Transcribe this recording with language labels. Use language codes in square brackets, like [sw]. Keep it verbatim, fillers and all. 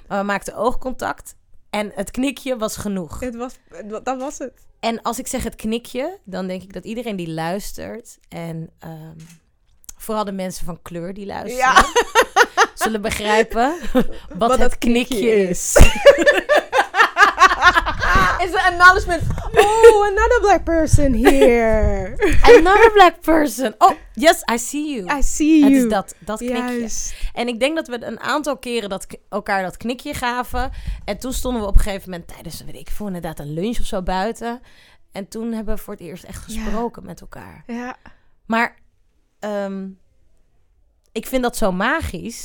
[nl] Maar we maakten oogcontact. En het knikje was genoeg. Het was, dat was het. En als ik zeg het knikje, dan denk ik dat iedereen die luistert... en um, vooral de mensen van kleur die luisteren... Ja. zullen begrijpen wat, wat het knikje, knikje is. [en] It's an acknowledgement. Oh, another black person here. Another black person. Oh, yes, I see you. I see you. [nl] Het is dat, dat knikje. Juist. En ik denk dat we een aantal keren dat, elkaar dat knikje gaven. En toen stonden we op een gegeven moment tijdens, weet ik veel, inderdaad een lunch of zo buiten. En toen hebben we voor het eerst echt gesproken ja. met elkaar. Ja. Maar um, ik vind dat zo magisch.